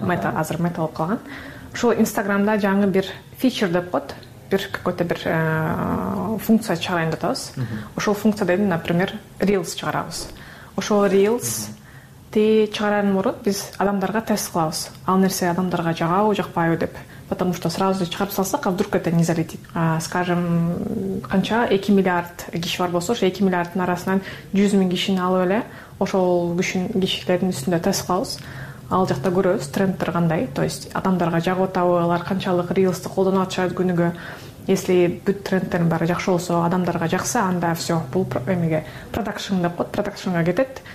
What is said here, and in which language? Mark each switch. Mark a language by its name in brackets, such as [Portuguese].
[Kyrgyz] Meta азыр Meta болуп калган. Ошол Instagram-да жаңы бир feature деп коет. Бир какой-то бир функция чыгарайын деп атабыз. Ошол функция деген, например, Reels чыгарабыз. Ошол Reels чыгарарын мурун биз адамдарга тест кылабыз. Ал нерсе адамдарга жагабы, жакпайбы деп. [Russian] Потому что сразу [Kyrgyz] чыгарып салсак, [Russian] а вдруг это не залетит. [Kyrgyz] Скажем, канча 2 миллиард киши бар болсо, 2 миллиардтын арасынан 100 миң кишини алып эле ошол кишилердин үстүндө тест кылабыз. Ал жакта көрөбүз трендтер кандай, то есть адамдарга жагып атабы, алар канчалык рилсти колдонуп атышат күнүгө. Если бүт трендтердин баары жакшы болсо, адамдарга жакса, анда все, бул эмеге продакшн деп коет, продакшнга кетет.